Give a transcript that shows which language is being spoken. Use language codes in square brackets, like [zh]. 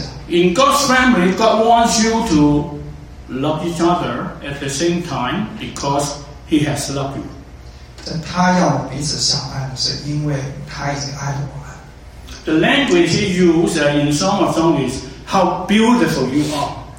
[en] In God's family, God wants you to love each other at the same time because He has loved you. [zh] 他要彼此相爱，是因为他已经爱了我们。The [en] language He used in Song of Songs is how beautiful you are.